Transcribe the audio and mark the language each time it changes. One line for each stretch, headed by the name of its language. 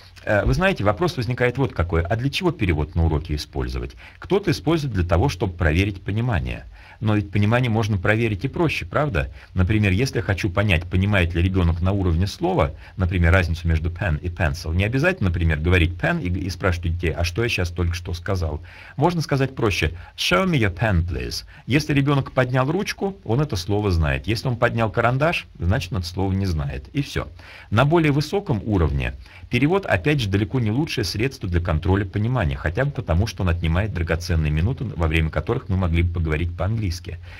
Russian: Вы знаете, вопрос возникает вот какой. А для чего перевод на уроке использовать? Кто-то использует для того, чтобы проверить понимание. Но ведь понимание можно проверить и проще, правда? Например, если я хочу понять, понимает ли ребенок на уровне слова, например, разницу между pen и pencil, не обязательно, например, говорить pen и спрашивать детей, а что я сейчас только что сказал. Можно сказать проще,
English: show me your pen, please.
Russian: Если ребенок поднял ручку, он это слово знает. Если он поднял карандаш, значит, это слово не знает. И все. На более высоком уровне перевод, опять же, далеко не лучшее средство для контроля понимания, хотя бы потому, что он отнимает драгоценные минуты, во время которых мы могли бы поговорить по-английски.